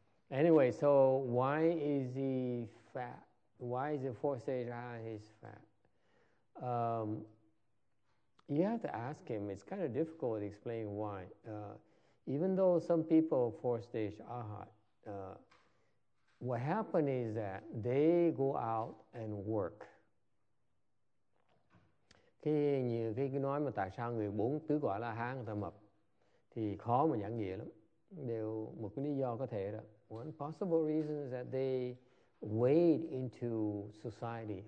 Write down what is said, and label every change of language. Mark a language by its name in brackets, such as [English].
[English] Anyway, so why is he fat? Why is the fourth stage he's fat? You have to ask him. It's kind of difficult to explain why. Even though some people are fourth stage arhat, what happened is that they go out and work. [Vietnamese] Cái nói mà tại sao người bốn tứ quả la hán ta mập thì khó mà giảng nghĩa lắm. Đều một cái lý do có thể đó. [English] One possible reason is that they wade into society.